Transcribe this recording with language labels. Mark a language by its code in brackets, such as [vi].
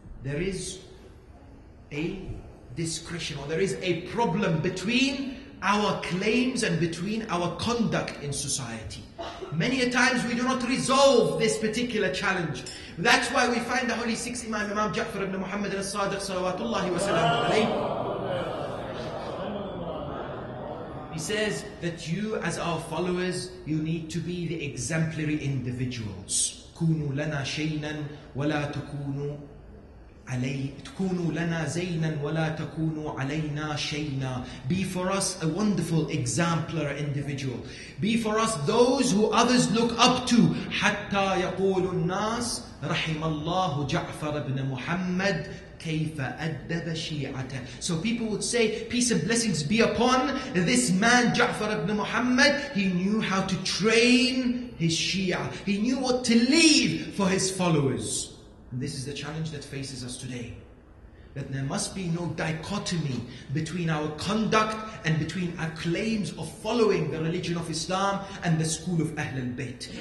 [en] There is a discretion, or there is a problem between our claims and between our conduct in society. Many a times we do not resolve this particular challenge. That's why we find the Holy Six Imam, Imam Ja'far ibn Muhammad al-Sadiq, salawatullahi wa salamu alayhi. He says that you, as our followers, you need to be the exemplary individuals. [ar] كُونُوا لَنَا شَيْنًا وَلَا تَكُونُوا تكونوا لنا زينا ولا تكونوا علينا شينا. [en] Be for us a wonderful exemplar individual. Be for us those who others look up to. [ar] حتى يقول الناس رحم الله جعفر بن محمد كيف أدب شيعته. [en] So people would say, peace and blessings be upon this man جعفر بن محمد. He knew how to train his Shia. He knew what to leave for his followers. And this is the challenge that faces us today. That there must be no dichotomy between our conduct and between our claims of following the religion of Islam and the school of Ahlul Bayt.